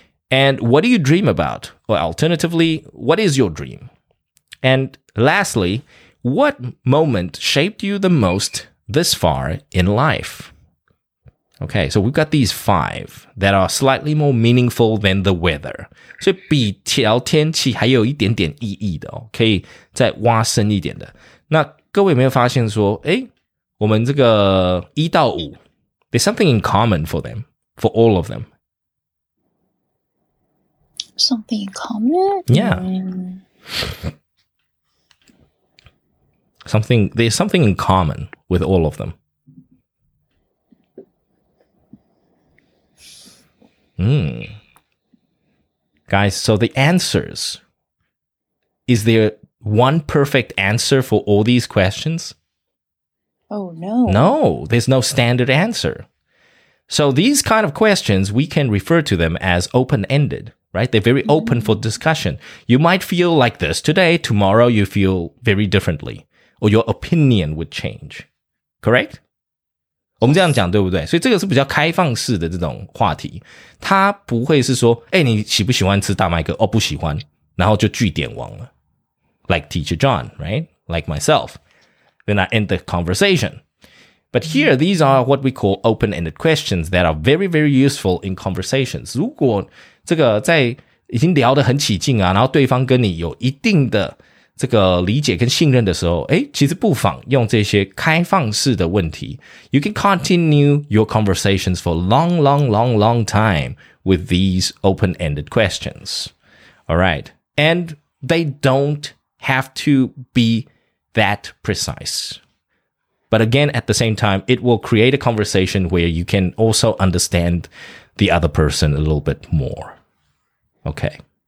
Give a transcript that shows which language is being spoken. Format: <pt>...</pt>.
<en>And what do you dream about? Or alternatively, what is your dream? And lastly, what moment shaped you the most this far in life? Okay, so we've got these five that are slightly more meaningful than the weather.</en> <zh>所以比聊天气还有一点点意义的哦，可以再挖深一点的。那各位有没有发现说，诶，我们这个一到五，</zh> <en>there's something in common for them, for all of them. Something in common? Yeah. There's something in common with all of them. Guys, so the answers, is there one perfect answer for all these questions? Oh, no. No, there's no standard answer. So these kind of questions, we can refer to them as open-ended, right? They're very open for discussion. You might feel like this today, tomorrow you feel very differently, or your opinion would change, correct?</en> <zh>我们这样讲对不对？所以这个是比较开放式的这种话题，它不会是说，哎，你喜不喜欢吃大麦哥？哦，不喜欢，然后就句点王了。</zh> <en>Like Teacher John, right? Like myself. Then I end the conversation. But here, these are what we call open-ended questions that are very, very useful in conversations.</en> <zh>如果这个在已经聊得很起劲啊，然后对方跟你有一定的这个理解跟信任的时候，诶，其实不妨用这些开放式的问题。</zh> <en>You can continue your conversations for long, long, long, long time with these open-ended questions. All right. And they don't have to be that precise. But again, at the same time, it will create a conversation where you can also understand the other person a little bit more. Okay.</en>